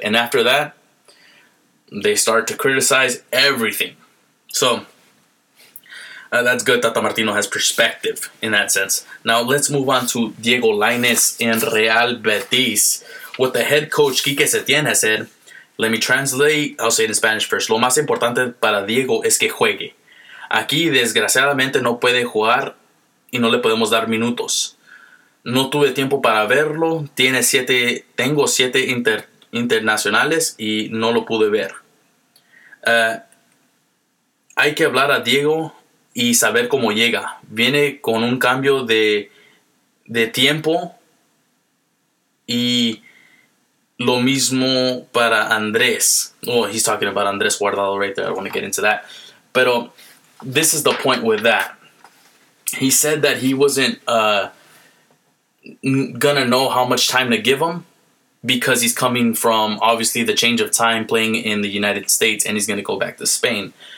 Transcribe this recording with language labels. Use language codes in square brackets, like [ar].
[en] And after that, they start to criticize everything. So that's good. Tata Martino has perspective in that sense. Now let's move on to Diego Lainez and Real Betis. What the head coach Quique Setién has said, let me translate. I'll say it in Spanish first. [es] Lo más importante para Diego es que juegue. Aquí desgraciadamente no puede jugar y no le podemos dar minutos. No tuve tiempo para verlo. Tengo siete internacionales y no lo pude ver. Hay que hablar a Diego y saber cómo llega. Viene con un cambio de tiempo y lo mismo para Andrés. [en] Oh, he's talking about Andrés Guardado right there. I want to get into that. But this is the point with that. He said that he wasn't going to know how much time to give him because he's coming from, obviously, the change of time playing in the United States and he's going to go back to Spain.